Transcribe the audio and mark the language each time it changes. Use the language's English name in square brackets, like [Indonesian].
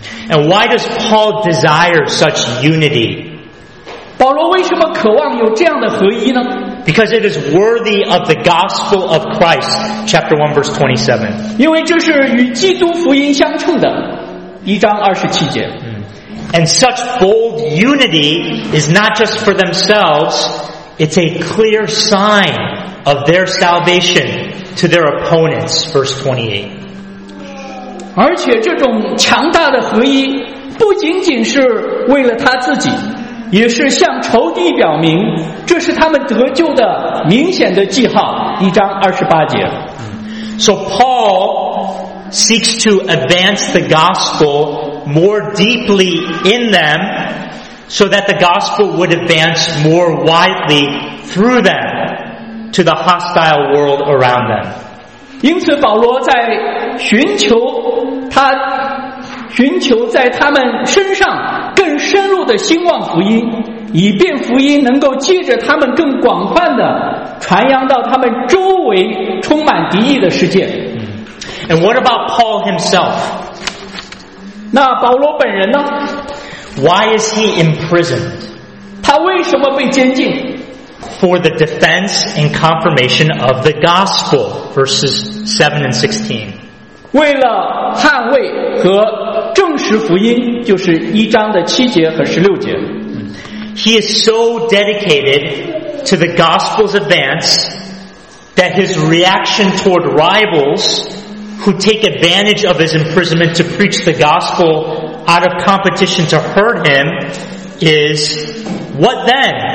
[English] And why does Paul desire such unity? [Chinese] 保罗为什么渴望有这样的合一呢？ [English] Because it is worthy of the gospel of Christ, chapter 1, verse 27. [Chinese] 因为这是与基督福音相称的，一章二十七节。 [English] And such bold unity is not just for themselves, it's a clear sign of their salvation to their opponents, verse 28. [Chinese] 而且这种强大的合一不仅仅是为了他自己，也是向仇敌表明这是他们得救的明显的记号，一章二十八节。 [English] So Paul seeks to advance the gospel more deeply in them so that the gospel would advance more widely through them to the hostile world around them. [Chinese] 因此保罗在寻求在他们身上更深入的兴旺福音，以便福音能够借着他们更广泛的传扬到他们周围充满敌意的世界。 [English] And what about Paul himself? [Chinese] 那保罗本人呢？ [English] Why is he imprisoned? [Chinese] 他为什么被监禁？ [English] For the defense and confirmation of the gospel, verses 7 and 16. [Chinese] 为了捍卫和证实福音，就是一章的七节和十六节。 [English] He is so dedicated to the gospel's advance that his reaction toward rivals who take advantage of his imprisonment to preach the gospel out of competition to hurt him is, what then?